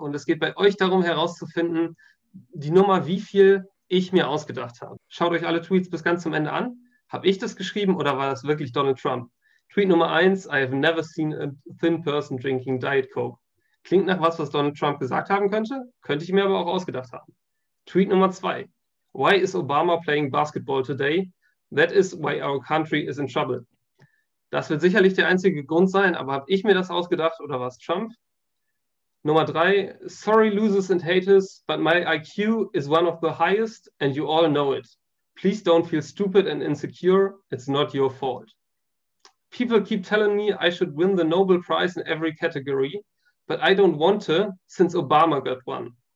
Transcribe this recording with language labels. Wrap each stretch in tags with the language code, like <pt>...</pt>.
<de>Und es geht bei euch darum, herauszufinden, die Nummer, wie viel ich mir ausgedacht habe. Schaut euch alle Tweets bis ganz zum Ende an. Habe ich das geschrieben oder war das wirklich Donald Trump? Tweet Nummer 1,</de> <en>I have never seen a thin person drinking Diet Coke.</en> <de>Klingt nach was, was Donald Trump gesagt haben könnte, könnte ich mir aber auch ausgedacht haben. Tweet Nummer 2,</de> <en>why is Obama playing basketball today? That is why our country is in trouble.</en> <de>Das wird sicherlich der einzige Grund sein, aber habe ich mir das ausgedacht oder war es Trump? Nummer 3,</de> <en>sorry losers and haters, but my IQ is one of the highest and you all know it. Please don't feel stupid and insecure, it's not your fault. People keep telling me I should win the Nobel Prize in every category, but I don't want to, since Obama got one.</en>